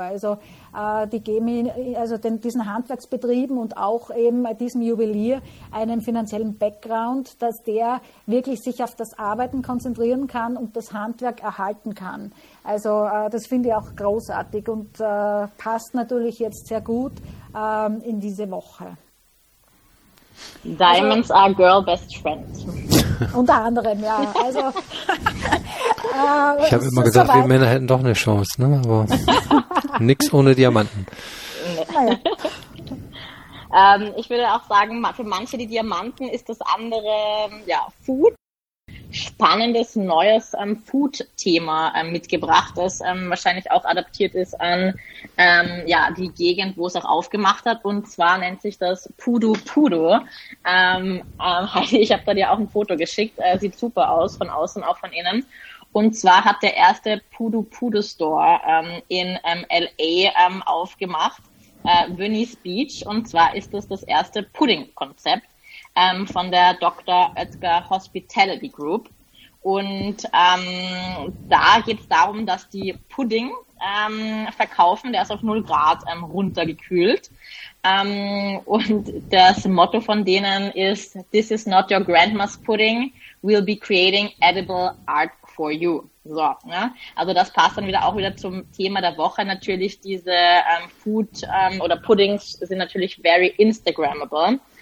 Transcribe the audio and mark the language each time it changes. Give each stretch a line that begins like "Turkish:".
German: Also die geben ihn, also diesen Handwerksbetrieben und auch eben diesem Juwelier einen finanziellen Background, dass der wirklich sich auf das Arbeiten konzentrieren kann und das Handwerk erhalten kann. Also das finde ich auch großartig und passt natürlich jetzt sehr gut in diese Woche.
English: Diamonds are girl best friend.
German: Unter anderem, ja. Also, ich habe immer gesagt, wir Männer hätten doch eine Chance, ne? Aber nichts ohne Diamanten. Nee. ich würde auch sagen, für manche die Diamanten ist das andere ja, Food. Spannendes, neues Food-Thema mitgebracht, das wahrscheinlich auch adaptiert ist an ja, die Gegend, wo es auch aufgemacht hat. Und zwar nennt sich das Pudu Pudu. Heidi, ich habe da dir auch ein Foto geschickt. Sieht super aus, von außen, auch von innen. Und zwar hat der erste Pudu Pudu Store in L.A. Aufgemacht, Venice Beach. Und zwar ist das das erste Pudding-Konzept von der Dr. Oetker Hospitality Group. Und da geht es darum, dass die Pudding verkaufen, der ist auf 0 Grad runtergekühlt. Und das Motto von denen ist,
English: this is not your grandma's pudding, we'll be creating edible art for you.
German: So, ne? Also das passt dann wieder auch wieder zum Thema der Woche. Natürlich diese Food oder Puddings sind natürlich
English: very Instagrammable.